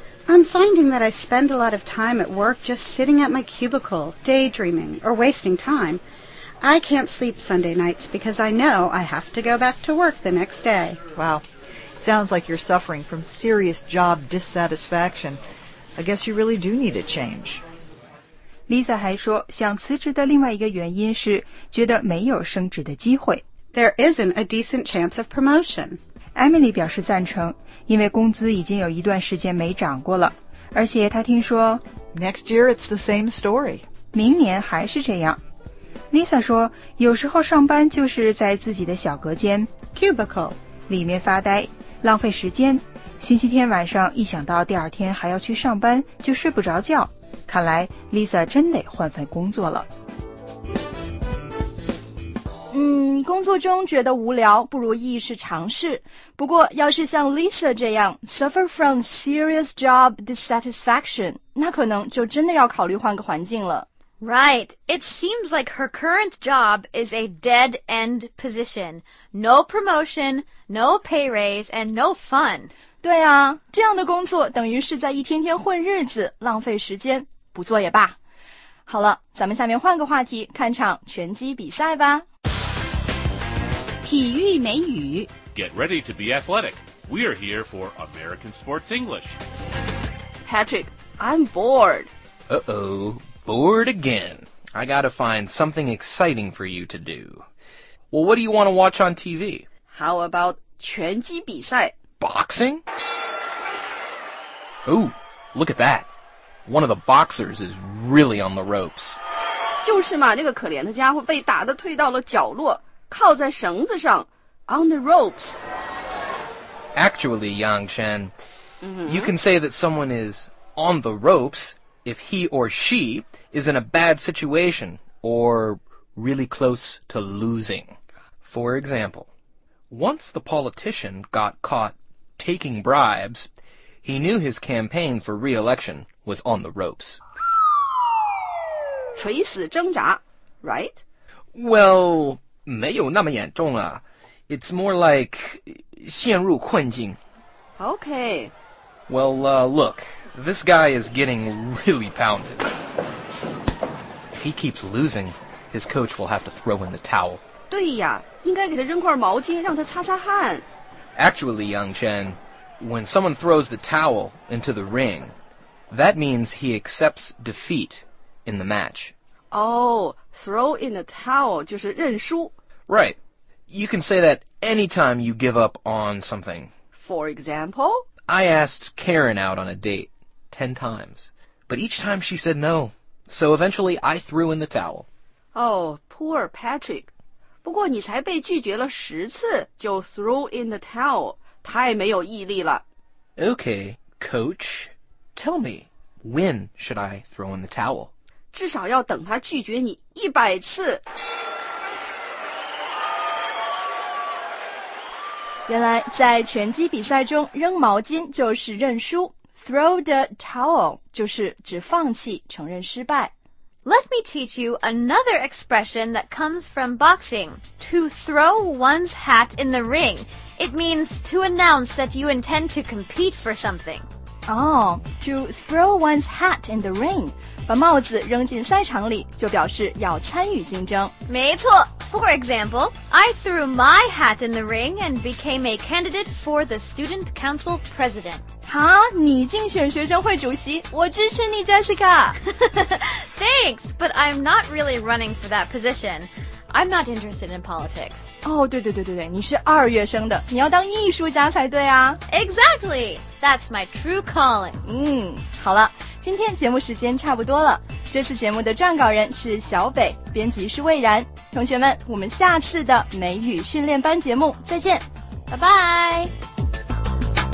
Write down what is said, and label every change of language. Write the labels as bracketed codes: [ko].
[en] I'm finding that I spend a lot of time at work just sitting at my cubicle, daydreaming, or wasting time. I can't sleep Sunday nights because I know I have to go back to work the next day. Wow. Sounds like you're suffering from serious job dissatisfaction. I guess you really do need a change. [zh] Lisa 还说，想辞职的另外一个原因是觉得没有升职的机会。 [en] There isn't a decent chance of promotion. [zh] Emily 表示赞成，因为工资已经有一段时间没涨过了，而且她听说 [en] Next year it's the same story. [zh] 明年还是这样。 Lisa 说，有时候上班就是在自己的小隔间 [en] cubicle [zh] 里面发呆，浪费时间。星期天晚上一想到第二天还要去上班，就睡不着觉。看来 Lisa 真得换份工作了。工作中觉得无聊，不如意是尝试。不过要是像 Lisa 这样 [en] suffer from serious job dissatisfaction, [zh] 那可能就真的要考虑换个环境了。 [en] Right, it seems like her current job is a dead-end position. No promotion, no pay raise, and no fun. [zh] 对啊，这样的工作等于是在一天天混日子，浪费时间，不做也罢。好了，咱们下面换个话题，看场拳击比赛吧。体育美语 [en] Get ready to be athletic. We are here for American Sports English. Patrick, I'm bored. Uh-oh, bored again. I gotta find something exciting for you to do. Well, what do you want to watch on TV? How about [zh] 拳击比赛 [en] Boxing? Ooh, look at that. One of the boxers is really on the ropes. [zh] 就是嘛，那个可怜的家伙被打得退到了角落。靠在绳子上 [en] on the ropes. Actually, Yang Chen,、you can say that someone is on the ropes if he or she is in a bad situation or really close to losing. For example, once the politician got caught taking bribes, he knew his campaign for re-election was on the ropes. [zh] 垂死挣扎 [en] right? Well... [zh] 没有那么严重啊 [en] It's more like [zh] 陷入困境 [en] Okay Well, look This guy is getting really pounded If he keeps losing His coach will have to throw in the towel [zh] 对呀应该给他扔块毛巾让他擦擦汗 [en] Actually, Yang Chen When someone throws the towel into the ring That means he accepts defeat in the match Oh, throw in the towel [zh] 就是认输 [en] Right. You can say that any time you give up on something. For example? I asked Karen out on a date 10 times. But each time she said no. So eventually I threw in the towel. Oh, poor Patrick. [zh] 不过你才被拒绝了10次就 [en] throw in the towel. [zh] 太没有毅力了。 [en] Okay, coach. Tell me, when should I throw in the towel? [zh] 至少要等他拒绝你100次。原来在拳击比赛中扔毛巾就是认输 [en] throw the towel [zh] 就是指放弃承认失败 [en] Let me teach you another expression that comes from boxing to throw one's hat in the ring It means to announce that you intend to compete for something Oh, to throw one's hat in the ring [zh] 把帽子扔进赛场里就表示要参与竞争没错 [en] For example, I threw my hat in the ring and became a candidate for the student council president. [zh] 哈，你竞选学生会主席，我支持你 ，Jessica. [en] Thanks, but I'm not really running for that position. I'm not interested in politics. [zh] 哦，对对对对对，你是二月生的，你要当艺术家才对啊。 [en] Exactly, that's my true calling. [zh] 好了，今天节目时间差不多了。这次节目的撰稿人是小北，编辑是魏然。同学们，我们下次的美语训练班节目再见，拜拜。